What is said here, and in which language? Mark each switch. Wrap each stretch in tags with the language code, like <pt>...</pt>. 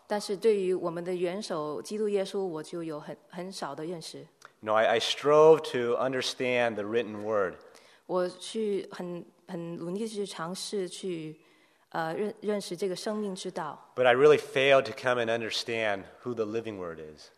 <zh>但是对于我们的元首基督耶稣我就有很少的认识。</zh> <en>No, I strove to understand the written word.</en> <zh>我去很努力去尝试去认识这个生命之道。</zh> <en>But I really failed to come and understand who the living word is.</en>